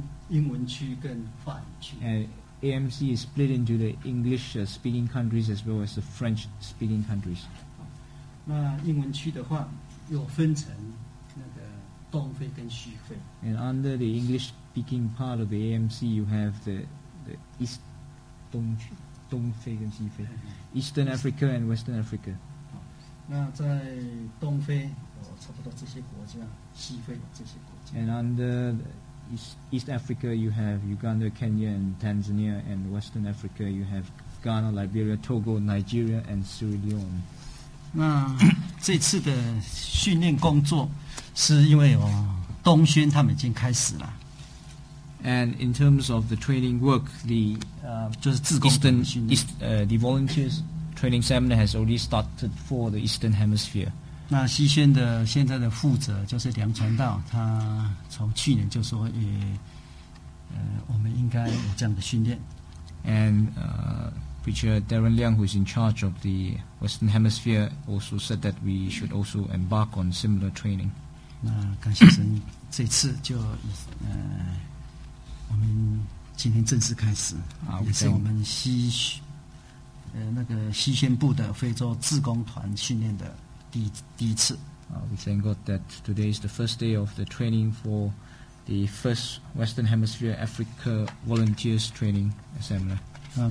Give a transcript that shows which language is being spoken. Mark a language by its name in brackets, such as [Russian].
[English] AMC is split into the English speaking countries as well as the French speaking countries. [Chinese] 那英文区的话又分成那个东非跟西非。 [English] And under the English speaking part of the AMC, you have the East [Chinese] 东非跟西非 [English] Eastern Africa and Western Africa. [Chinese] 那在东非有差不多这些国家，西非有这些国家。 [English] And under theEast Africa, you have Uganda, Kenya, and Tanzania, and Western Africa, you have Ghana, Liberia, Togo, Nigeria, and Sierra Leone. [Chinese] 那这次的训练工作是因为哦，东宣他们已经开始了。 [English] And in terms of the training work, the [Chinese] 就是自贡 [English] 训练 the volunteers training seminar has already started for the Eastern Hemisphere. [Chinese] 那西宣的现在的负责就是梁传道，他从去年就说也，我们应该有这样的训练。 [English] And Preacher Darren Liang, who is in charge of the Western Hemisphere, also said that we should also embark on similar training. [Chinese] 那感谢神，这次就我们今天正式开始，也是我们西那个西宣部的非洲志工团训练的。 [English] We thank God that today is the first day of the training for the first Western Hemisphere Africa Volunteers Training Seminar.